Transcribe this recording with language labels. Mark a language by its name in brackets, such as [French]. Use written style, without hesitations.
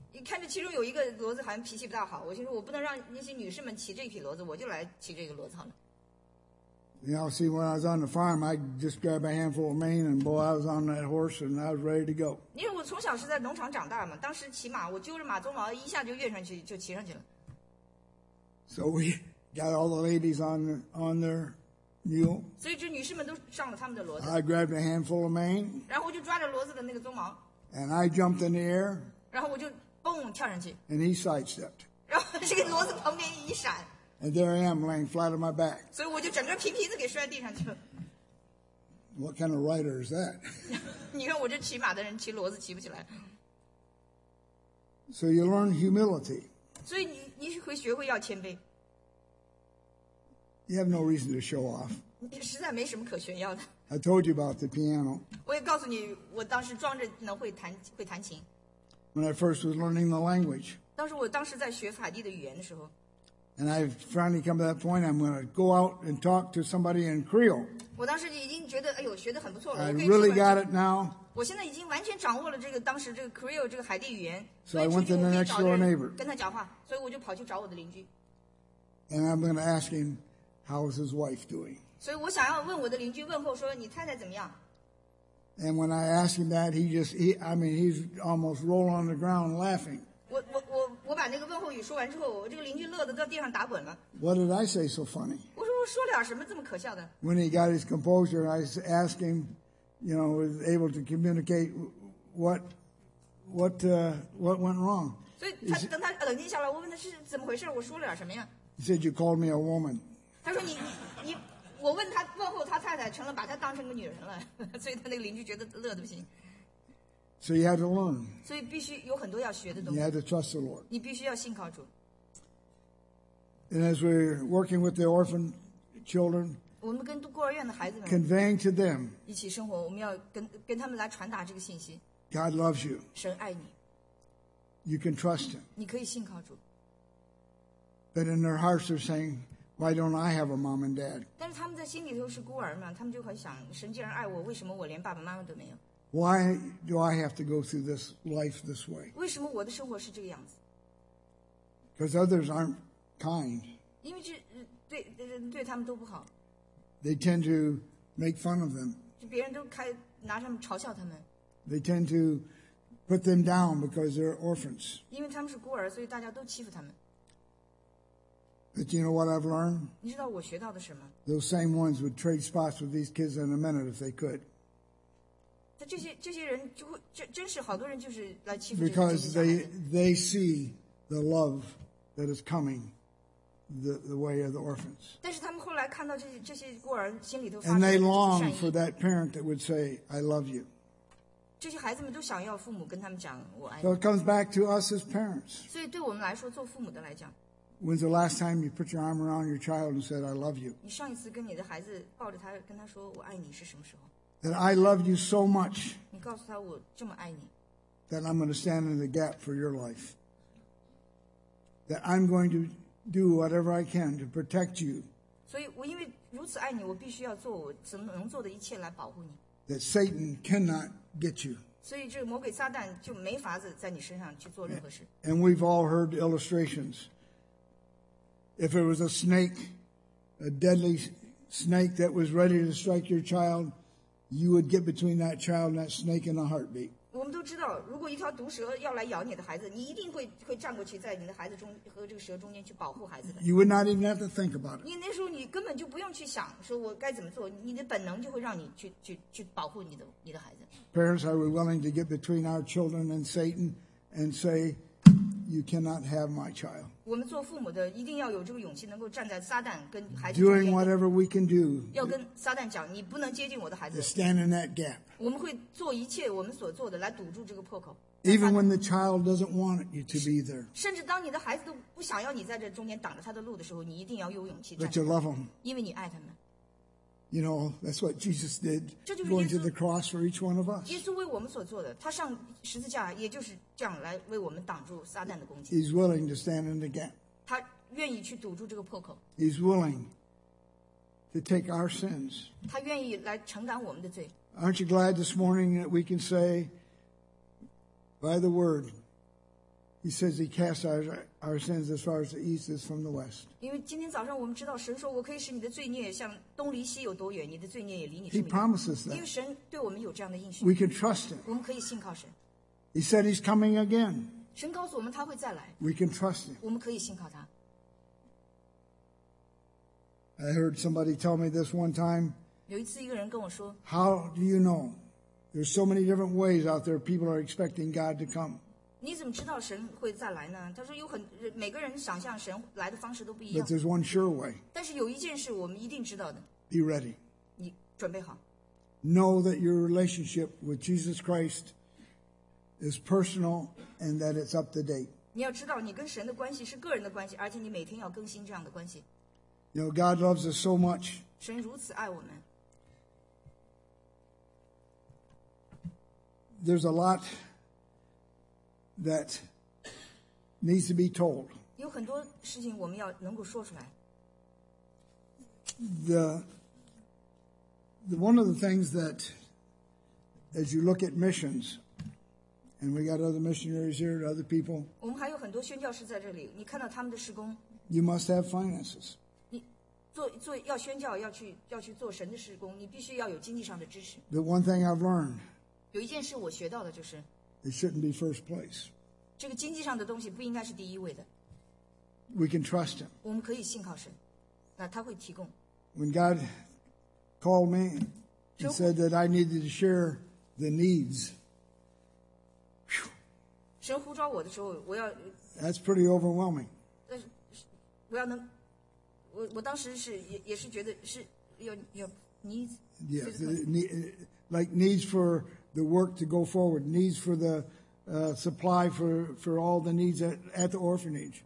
[Chinese] 你看着其中有一个骡子好像脾气不大好，我心说，我不能让那些女士们骑这匹骡子，我就来骑这个骡子好了。 [English] You know, see, when I was on the farm, I just grabbed a handful of mane, and boy, I was on that horse, and I was ready to go. [Chinese] 因为我从小是在农场长大嘛，当时骑马，我揪着马鬃毛，一下就跃上去，就骑上去了。 [English] So we got all the ladies on their mule. [Chinese] 所以这女士们都上了他们的骡子。 [English] I grabbed a handful of mane. [Chinese] 然后我就抓着骡子的那个鬃毛。 [English] And I jumped in the air. [Chinese] 然后我就蹦跳上去。 [English] And he sidestepped. [Chinese] 然后这个骡子旁边一闪。 [English] And there I am, laying flat on my back. [Chinese] 所以我就整个皮皮子给摔地上去了。 [English] What kind of rider is that? [Chinese] 你看我这骑马的人骑骡子骑不起来。 [English] So you learn humility. [Chinese] 所以你会学会要谦卑。 [English] You have no reason to show off. [Chinese] 你实在没什么可炫耀的。 [English] I told you about the piano. [Chinese] 我也告诉你，我当时装着能会弹琴。 [English] When I first was learning the language. [Chinese] 当时我当时在学法蒂的语言的时候。 [English] And I've finally come to that point. I'm going to go out and talk to somebody in Creole. [Chinese] 我当时已经觉得，哎呦，学得很不错了。 [English] I really got it now. [Chinese] 我现在已经完全掌握了这个当时这个 Creole 这个海地语言。 [English] So I went to the next door neighbor. [Chinese] 跟他讲话，所以我就跑去找我的邻居。 [English] And I'm going to ask him, "How is his wife doing?" [Chinese] 所以我想要问我的邻居问候说，你太太怎么样？ [English] And when I ask him that, he's almost rolling on the ground laughing. [Chinese] 我把那个问候语说完之后，我这个邻居乐得到地上打滚了。 [English] What did I say so funny? [Chinese] 我说了什么这么可笑的 [English] ？When he got his composure, I asked him, you know, was able to communicate what went wrong. [Chinese] 所以他等他冷静下来，我问他是怎么回事，我说了什么呀 [English] ？He said you called me a woman. [Chinese] 他说你我问他问候他太太，成了把他当成个女人了，所以他那个邻居觉得乐得不行。 [English] So you had to learn. [Chinese] 所以必须有很多要学的东西。 [English] You had to trust the Lord. [Chinese] 你必须要信靠主。 [English] And as we're working with the orphan children, [Chinese] 我们跟孤儿院的孩子们 [English] conveying to them [Chinese] 一起生活，我们要跟他们来传达这个信息。 [English] Can God loves you. [Chinese] 神爱你。 [English] You can trust him. [Chinese] 你可以信靠主。 [English] But in their hearts they're saying, why don't I have a mom and dad? [Chinese] 但是他们在心里头是孤儿嘛，他们就会想，神既然爱我，为什么我连爸爸妈妈都没有？ [English] Why do I have to go through this life this way? [Chinese] 为什么我的生活是这个样子？ [English] Because others aren't kind. [Chinese] 因为这对他们都不好。 [English] They tend to make fun of them. [Chinese] 就别人都开拿他们嘲笑他们。 [English] They tend to put them down because they're orphans. [Chinese] 因为他们是孤儿，所以大家都欺负他们。 [English] But you know what I've learned? [Chinese] 你知道我学到的什么？ [English] Those same ones would trade spots with these kids in a minute if they could. [Chinese] 这些人就会真是好多人就是来欺负。 [English] Because they see the love that is coming. The way of the orphans. [Chinese] 但是他们后来看到这些孤儿心里头。 [English] And they long for that parent that would say, "I love you." [Chinese] 这些孩子们都想要父母跟他们讲我爱你。 [English] So it comes back to us as parents. [Chinese] 所以对我们来说，做父母的来讲。 [English] When's the last time you put your arm around your child and said, "I love you"? [Chinese] 你上一次跟你的孩子抱着他跟他说我爱你是什么时候？ [English] That I love you so much. [Chinese] 你告诉他我这么爱你。 [English] That I'm going to stand in the gap for your life. That I'm going to do whatever I can to protect you. [Chinese] 所以我因为如此爱你，我必须要做我怎么能做的一切来保护你。 [English] That Satan cannot get you. [Chinese] 所以这个魔鬼撒旦就没法子在你身上去做任何事。 [English] And we've all heard illustrations. If it was a snake, a deadly snake that was ready to strike your child, you would get between that child and that snake in a heartbeat. [Chinese] 我们都知道，如果一条毒蛇要来咬你的孩子，你一定会站过去，在你的孩子中和这个蛇中间去保护孩子的。 [English] You would not even have to think about it. [Chinese] 你那时候你根本就不用去想，说我该怎么做，你的本能就会让你去保护你的孩子。 [English] Parents, are we willing to get between our children and Satan and say, "You cannot have my child"? [Chinese] 我们做父母的一定要有这个勇气，能够站在撒旦跟孩子。 [English] Doing whatever we can do. [Chinese] 要跟撒旦讲，你不能接近我的孩子。 [English] Stand in that gap. [Chinese] 我们会做一切我们所做的来堵住这个破口。 [English] Even when the child doesn't want you to be there. [Chinese] 甚至当你的孩子都不想要你在这中间挡着他的路的时候，你一定要有勇气。 [English] But you love them. [Chinese] 因为你爱他们。 [English] You know, that's what Jesus did, going to the cross for each one of us. [Chinese] 耶稣为我们所做的，他上十字架也就是这样来为我们挡住撒旦的攻击。 [English] He's willing to stand in the gap. [Chinese] 他愿意去堵住这个破口。 [English] He's willing to take our sins. [Chinese] 他愿意来承担我们的罪。 [English] Aren't you glad this morning that we can say, by the word, He says He casts our sins as far as the east is from the west. [Chinese] 因为今天早上我们知道，神说我可以使你的罪孽像东离西有多远，你的罪孽也离你。 [English] He promises that. [Chinese] 因为神对我们有这样的应许。 [English] We can trust Him. [Chinese] 我们可以信靠神。 [English] He said He's coming again. [Chinese] 神告诉我们他会再来。 [English] We can trust Him. [Chinese] 我们可以信靠他。 [English] I heard somebody tell me this one time. [Chinese] 有一次一个人跟我说。 [English] How do you know? There's so many different ways out there. People are expecting God to come. [Chinese] 你怎么知道神会再来呢？他说有很每个人想象神来的方式都不一样。 [English] But there's one sure way. [Chinese] 但是有一件事我们一定知道的。 [English] Be ready. [Chinese] 你准备好。 [English] Know that your relationship with Jesus Christ is personal and that it's up to date. [Chinese] 你要知道你跟神的关系是个人的关系，而且你每天要更新这样的关系。 [English] You know, God loves us so much. [Chinese] 神如此爱我们。 [English] There's a lot. That needs to be told. [Chinese] 有很多事情我们要能够说出来。 [English] The one of the things that, as you look at missions, and we got other missionaries here, other people. [Chinese] 我们还有很多宣教士在这里。你看到他们的事工。 [English] You must have finances. [Chinese] 你做要宣教要去做神的事工，你必须要有经济上的支持。 [English] The one thing I've learned. [Chinese] 有一件事我学到的就是。 [English] It shouldn't be first place. [Chinese] 这个经济上的东西不应该是第一位的。 [English] We can trust him. [Chinese] 我们可以信靠神，那他会提供。 [English] When God called me, He said that I needed to share the needs. [Chinese] 神呼召我的时候，我要。 [English] That's pretty overwhelming. [Chinese] 但是，我要能，我当时是也是觉得是有 needs. [English] Yeah, like needs for. The work to go forward, needs for the supply for all the needs at the orphanage.